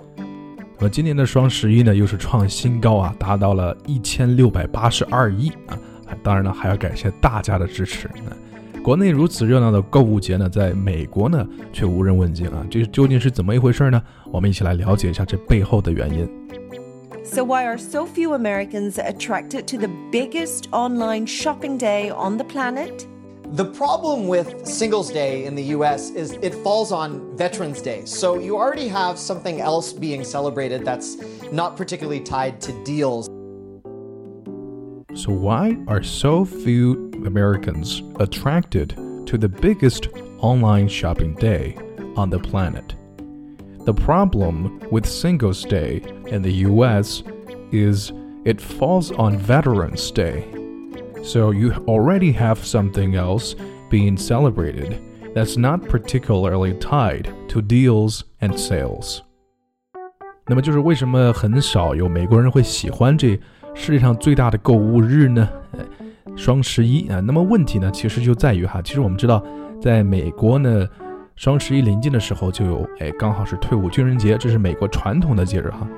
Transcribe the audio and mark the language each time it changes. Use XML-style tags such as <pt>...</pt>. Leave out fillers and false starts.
<zh>那么今年的双十一呢，又是创新高啊，达到了1682亿啊！当然呢，还要感谢大家的支持。国内如此热闹的购物节呢，在美国呢却无人问津啊！这究竟是怎么一回事呢？我们一起来了解一下这背后的原因。</zh> <en>So why are so few Americans attracted to the biggest online shopping day on the planet? The problem with Singles Day in the US is it falls on Veterans Day. So you already have something else being celebrated that's not particularly tied to deals. So why are so few Americans attracted to the biggest online shopping day on the planet? The problem with Singles Day in the US is it falls on Veterans Day. So you already have something else being celebrated that's not particularly tied to deals and sales.</en> <zh>那么就是为什么很少有美国人会喜欢这世界上最大的购物日呢？双十一啊。那么问题呢，其实就在于哈，其实我们知道，在美国呢，双十一临近的时候就有刚好是退伍军人节，这是美国传统的节日哈。</zh>